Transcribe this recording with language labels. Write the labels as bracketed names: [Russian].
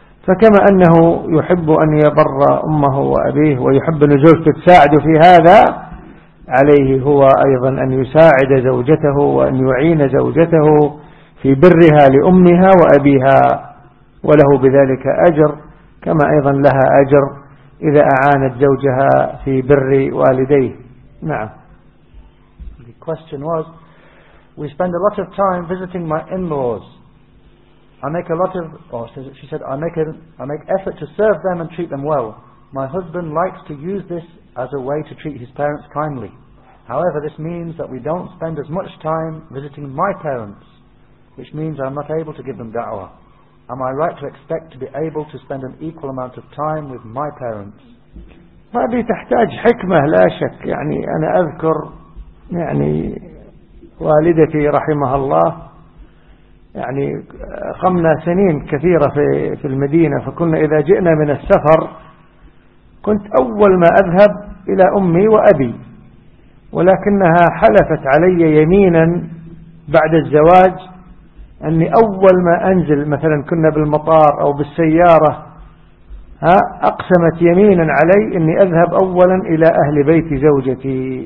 [Arabic] فكما أنه يحب أن يبر أمه وأبيه ويحب أن زوجته تساعد في هذا، عليه هو أيضا أن يساعد زوجته وأن يعين زوجته في برها لأمها وأبيها، وله بذلك أجر كما أيضا لها أجر إذا أعانت زوجها في بر والديه. نعم. [English] The question was, we spend a lot of time visiting my in-laws. I make a lot of, or she said, I make effort to serve them and treat them well. My husband likes to use this as a way to treat his parents kindly. However, this means that we don't spend as much time visiting my parents, which means I'm not able to give them da'wah. Am I right to expect to be able to spend an equal amount of time with my parents? [Arabic] ما بي تحتاج حكمة لا شك. يعني أنا أذكر يعني والدتي رحمها الله يعني قمنا سنين كثيرة في المدينة، فكنا إذا جئنا من السفر كنت أول ما أذهب إلى أمي وأبي، ولكنها حلفت علي يمينا بعد الزواج أني أول ما أنزل مثلا كنا بالمطار أو بالسيارة أقسمت يمينا علي أني أذهب أولا إلى أهل بيت زوجتي.